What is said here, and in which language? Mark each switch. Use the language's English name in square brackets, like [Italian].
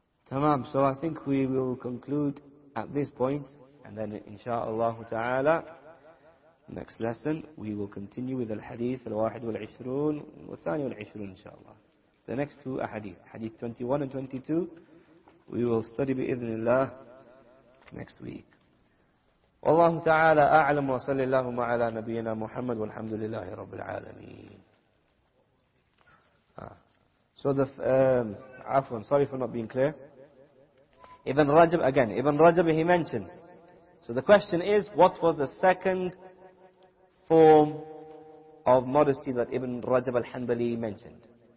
[English] Tamam, so I think we will conclude at this point, and then inshaAllah ta'ala, next lesson, we will continue with al-hadith al-wahid wal-ishroon, wa-thani wal-ishroon inshaAllah. The next two ahadith, hadith 21 and 22, we will study bi-idhnillah next week. [Arabic] والله تعالى أعلم وصلى الله على نبينا محمد والحمد لله رب العالمين. [English] So the Afwan, sorry for not being clear. Ibn Rajab, again, Ibn Rajab, he mentions. So the question is, what was the second form of modesty that Ibn Rajab al-Hanbali mentioned?